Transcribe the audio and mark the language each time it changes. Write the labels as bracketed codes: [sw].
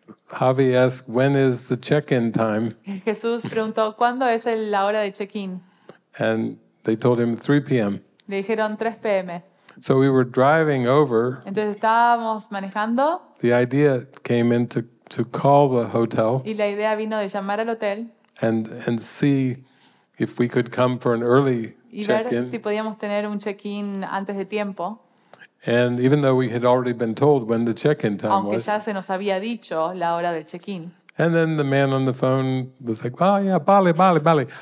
[en] Javi asked, "When is the check-in time?" [es] Jesús preguntó, ¿cuándo es la hora de check-in? [en] And they told him 3 p.m. [es] Le dijeron 3 p.m. [en] So we were driving over. [es] Entonces estábamos manejando. [en] The idea came into to call the hotel, [es] y la idea vino de llamar al hotel [en] and see if we could come for an early check-in. [es] Y ver si podíamos tener un check-in antes de tiempo. [en] And even though we had already been told when the check-in time [es] aunque [en] was, [es] aunque ya se nos había dicho la hora del check-in. [en] And then the man on the phone was like, oh, yeah, Bali, Bali, Bali.